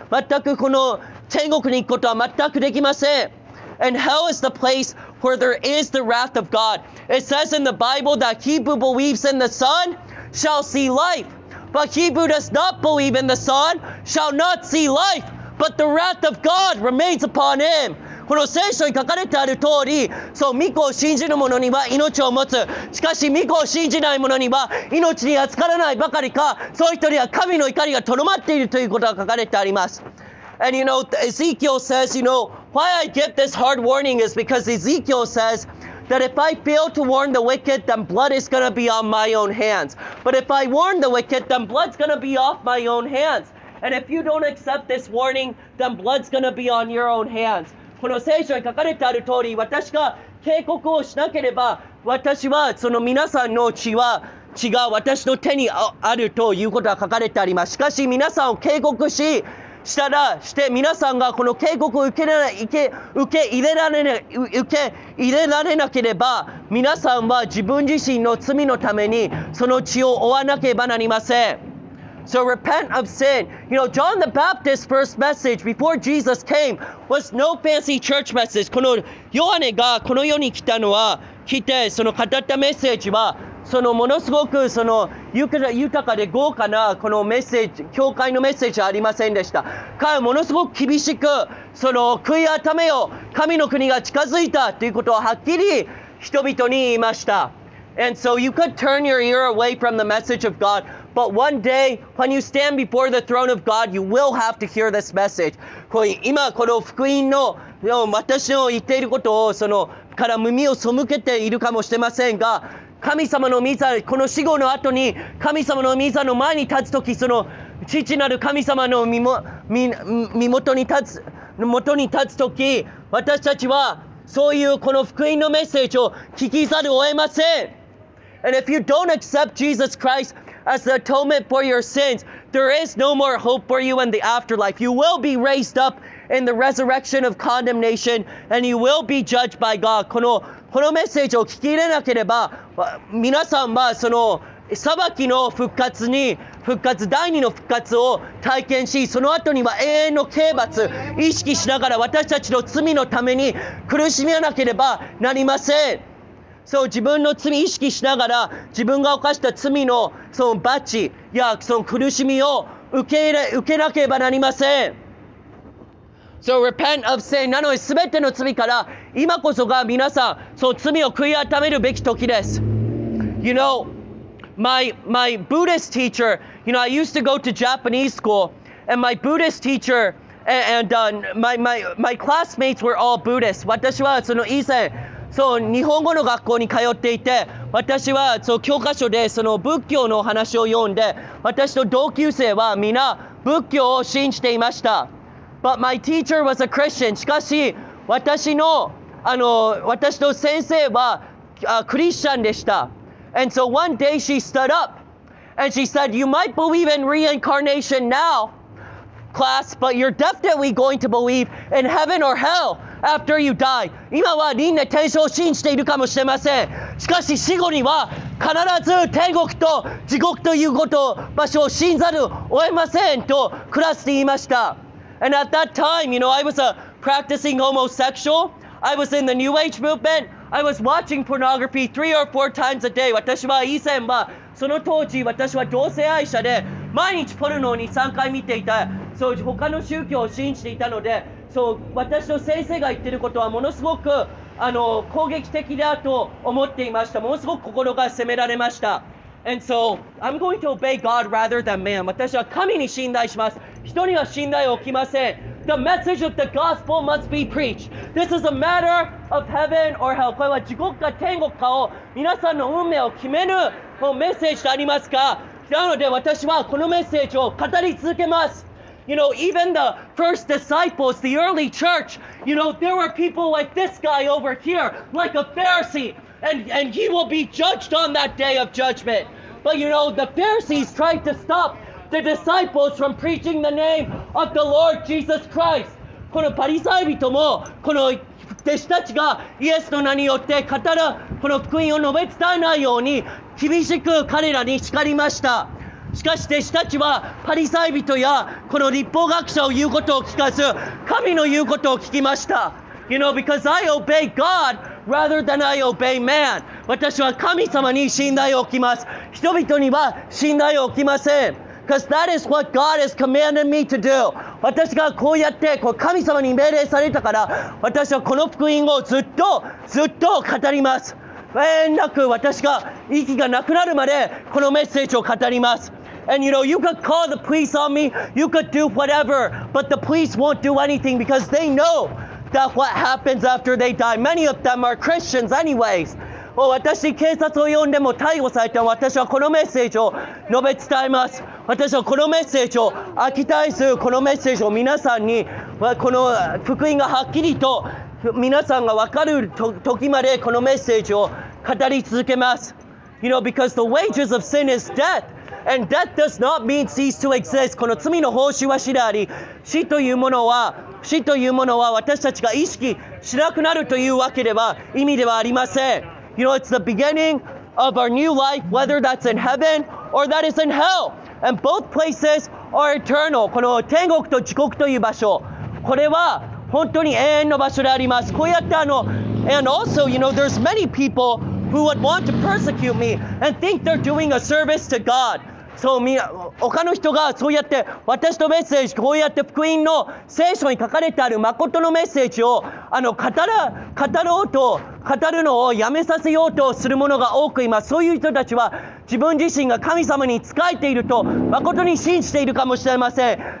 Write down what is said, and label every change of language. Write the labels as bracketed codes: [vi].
[ja] 全くこの天国に行くことは全くできません。 [en] And hell is the place where there is the wrath of God. It says in the Bible that he who believes in the Son shall see life. But he who does not believe in the Son shall not see life. But the wrath of God remains upon him. [ja] この聖書に書かれてある通り、そう、御子を信じる者には命を持つ。しかし、御子を信じない者には命に預からないばかりか、そういう人には神の怒りがとどまっているということが書かれてあります。 [en] And you know, Ezekiel says, you know, why I get this hard warning is because Ezekiel says that if I fail to warn the wicked, then blood is going to be on my own hands. But if I warn the wicked, then blood's going to be off my own hands. And if you don't accept this warning, then blood's going to be on your own hands. [ja] この聖書に書かれてある通り、私が警告をしなければ、私はその皆さんの血が私の手にあるということが書かれてあります。しかし皆さんを警告して皆さんがこの警告を受け入れられなければ、皆さんは自分自身の罪のためにその血を負わなければなりません。 [en] So repent of sin. You know, John the Baptist's first message before Jesus came was no fancy church message. [ja] このヨハネがこの世に来たのは、来てその語ったメッセージは、そのものすごくその豊かで豪華なこのメッセージ、教会のメッセージはありませんでした。彼はものすごく厳しく、その悔い改めよ、神の国が近づいたということをはっきり人々に言いました。 [en] And so you could turn your ear away from the message of God, but one day when you stand before the throne of God, you will have to hear this message. [ja] 今この福音の私の言っていることをそのから耳を背けているかもしれませんが、神様の御座、この死後の後に神様の御座の前に立つとき、その父なる神様の元に立つとき、私たちはそういうこの福音のメッセージを聞きざるを得ません。 [en] And if you don't accept Jesus Christ as the atonement for your sins, there is no more hope for you in the afterlife. You will be raised up in the resurrection of condemnation, and you will be judged by God. [ja] このメッセージを聞き入れなければ、皆さんはその裁きの復活に、復活、第二の復活を体験し、その後には永遠の刑罰、意識しながら私たちの罪のために苦しみなければなりません。そう、自分の罪意識しながら、自分が犯した罪のその罰やその苦しみを受けなければなりません。 [en] So repent of sin. [ja] なので、すべての罪から、今こそが皆さん、その罪を悔い改めるべき時です。 [en] You know, my Buddhist teacher, you know, I used to go to Japanese school, and my Buddhist teacher and my classmates were all Buddhists. [ja] 私はその以前、そう日本語の学校に通っていて、私はそう教科書でその仏教の話を読んで、私の同級生はみんな仏教を信じていました。 [en] But my teacher was a Christian. [ja] しかし私の先生はクリスチャンでした。 [en] And so one day she stood up and she said, "You might believe in reincarnation now, class, but you're definitely going to believe in heaven or hell." After you die, [ja] 今は輪廻転生を信じているかもしれません。しかし死後には必ず天国と地獄ということ場所を信ざるを得ませんとクラスに言いました。 [en] And at that time, you know, I was a practicing homosexual. I was in the New Age movement. I was watching pornography 3 or 4 times a day. [ja] 私は以前はその当時私は同性愛者で毎日ポルノに3回見ていた。そう他の宗教を信じていたので。そう私の先生が言っていることはものすごく攻撃的だと思っていました。ものすごく心が責められました。 [en] And so I'm going to obey God rather than man. [ja] 私は神に信頼します。人には信頼を置きません。 [en] The message of the gospel must be preached. This is a matter of heaven or hell. [ja] これは地獄か天国かを皆さんの運命を決めるもうメッセージでありますか。なので私はこのメッセージを語り続けます。 [en] You know, even the first disciples, the early church, you know, there were people like this guy over here, like a Pharisee, and he will be judged on that day of judgment. But you know, the Pharisees tried to stop the disciples from preaching the name of the Lord Jesus Christ. [ja] このパリサイ人もこの弟子たちがイエスの名によって語るこの福音を述べ伝えないように厳しく彼らに叱りました。しかし弟子たちはパリサイ人やこの律法学者を言うことを聞かず神の言うことを聞きました。 [en] You know, because I obey God rather than I obey man. [ja] 私は神様に信頼を置きます。人々には信頼を置きません。 [en] Because that is what God has commanded me to do. [ja] 私がこうやってこう神様に命令されたから、私はこの福音をずっとずっと語ります。永遠なく私が息がなくなるまでこのメッセージを語ります。 [en] And you know, you could call the police on me, you could do whatever, but the police won't do anything because they know that what happens after they die. Many of them are Christians anyways. [ja] もう私に警察を呼んでも逮捕されても私はこのメッセージを述べ伝えます。私はこのメッセージを飽き絶えずこのメッセージを皆さんにこの福音がはっきりと皆さんが分かる時までこのメッセージを語り続けます。 [en] You know, because the wages of sin is death, and death does not mean cease to exist. [ja] この罪の報酬は死であり、死というものは私たちが意識しなくなるというわけでは意味ではありません。 [en] You know, it's the beginning of our new life, whether that's in heaven or that is in hell. And both places are eternal. [ja] この天国と地獄という場所、これは本当に永遠の場所であります。こうやって [en] and also, you know, there's many people who would want to persecute me and think they're doing a service to God. So, [ja] 他の人がそうやって私のメッセージ、こうやって福音の聖書に書かれてある誠のメッセージを語るのをやめさせようとする者が多くいます。そういう人たちは自分自身が神様に仕えていると誠に信じているかもしれません。